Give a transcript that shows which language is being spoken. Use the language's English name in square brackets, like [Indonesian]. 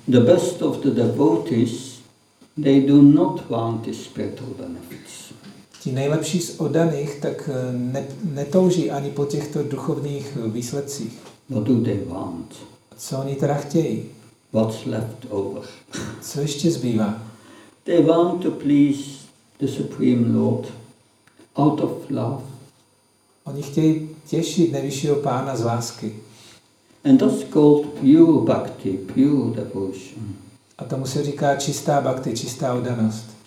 [English] The best of the devotees, they do not want the spiritual benefits. [Czech] Ti nejlepší z oddaných tak netouží ani po těchto duchovních výsledcích. [English] What do they want? [Czech] Co oni teda chtějí? [English] What's left over? [Czech] Co ještě zbývá? [English] They want to please the Supreme Lord out of love. [Czech] Oni chtějí těšit nejvyššího pána z lásky. [English] And that's called pure bhakti, pure devotion. [Czech] A tomu se říká čistá bhakti, čistá oddanost.